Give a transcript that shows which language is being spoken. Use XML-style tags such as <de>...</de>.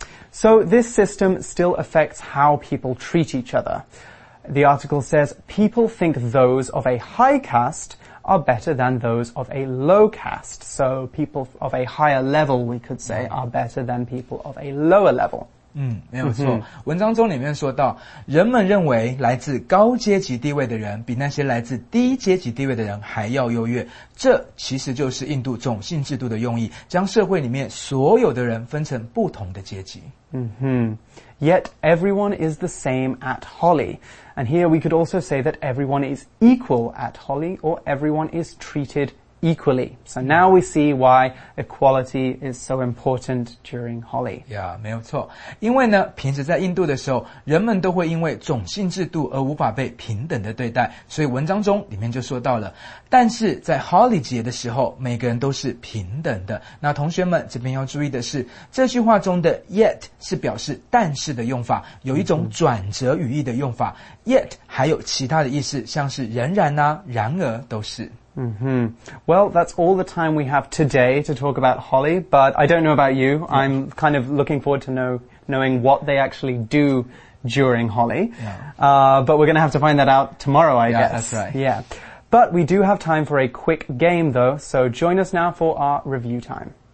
<en>So this system still affects how people treat each other. The article says, people think those of a high caste are better than those of a low caste. So people of a higher level, we could say, are better than people of a lower level.</en> <zh>没有错。文章中里面说到，人们认为来自高阶级地位的人比那些来自低阶级地位的人还要优越。这其实就是印度种姓制度的用意，将社会里面所有的人分成不同的阶级。</zh> <en>Yet everyone is the same at Holly. And here we could also say that everyone is equal at Holly or everyone is treated equally. So now we see why equality is so important during Holi.</en> <zh>Yeah, 没有错。因为呢，平时在印度的时候，人们都会因为种姓制度而无法被平等的对待。所以文章中里面就说到了，但是在 Holi 节的时候，每个人都是平等的。那同学们这边要注意的是，这句话中的 yet 是表示但是的用法，有一种转折语义的用法。Yet 还有其他的意思，像是仍然啊、然而都是。 Mm-hmm.</zh> <en>Well, that's all the time we have today to talk about holly, but I don't know about you. Mm-hmm. I'm kind of looking forward to knowing what they actually do during holly. Yeah. But we're going to have to find that out tomorrow, I guess. Yeah, that's right. Yeah. But we do have time for a quick game, though, so join us now for our review time.</en>